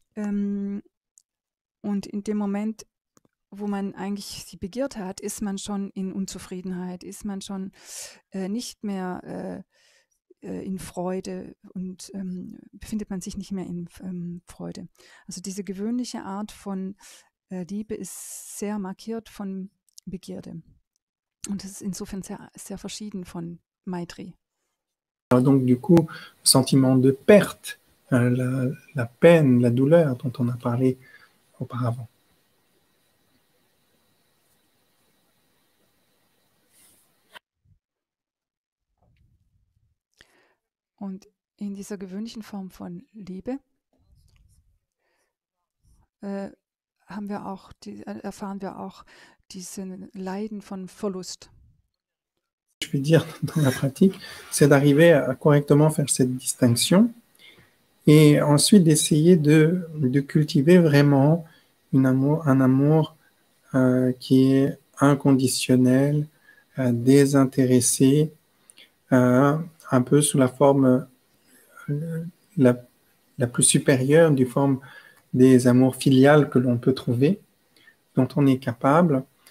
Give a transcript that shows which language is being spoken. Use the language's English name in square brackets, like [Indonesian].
[German] Und in dem Moment, wo man eigentlich die Begierde hat, ist man schon in Unzufriedenheit, ist man schon nicht mehr in Freude und befindet man sich nicht mehr in Freude. Also diese gewöhnliche Art von Liebe ist sehr markiert von Begierde. Und es ist insofern sehr, sehr verschieden von Maitri. [French] Donc du coup, sentiment de perte, la peine, la douleur dont on a parlé auparavant. [German] Und in dieser gewöhnlichen Form von Liebe haben wir auch die, erfahren wir auch diesen Leiden von Verlust. [French] Je veux dire, dans la pratique, c'est d'arriver à correctement faire cette distinction et ensuite d'essayer de cultiver vraiment un amour qui est inconditionnel, désintéressé, un peu sous la forme la plus supérieure du forme des amours filiales que l'on peut trouver, dont on est capable.